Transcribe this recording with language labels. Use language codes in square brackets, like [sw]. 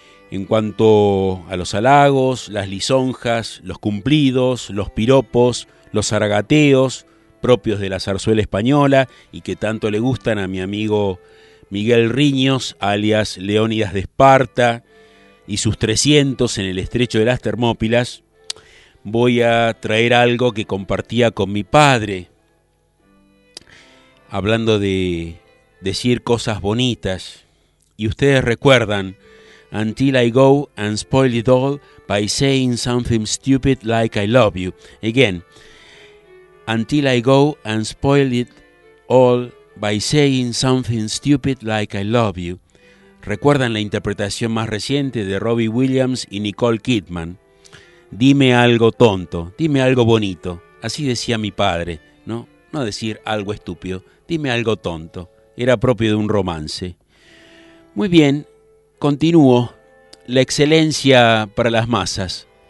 [es] En cuanto a los halagos, las lisonjas, los cumplidos, los piropos, los zaragateos propios de la zarzuela española y que tanto le gustan a mi amigo Miguel Riños, alias Leónidas de Esparta, y sus 300 en el Estrecho de las Termópilas, voy a traer algo que compartía con mi padre, hablando de decir cosas bonitas. Y ustedes recuerdan, [en] "Until I go and spoil it all by saying something stupid like I love you." Again, "Until I go and spoil it all by saying something stupid like I love you." [es] ¿Recuerdan la interpretación más reciente de Robbie Williams y Nicole Kidman? Dime algo tonto, dime algo bonito. Así decía mi padre, ¿no? No decir algo estúpido, dime algo tonto. Era propio de un romance. Muy bien, continúo. La excelencia para las masas.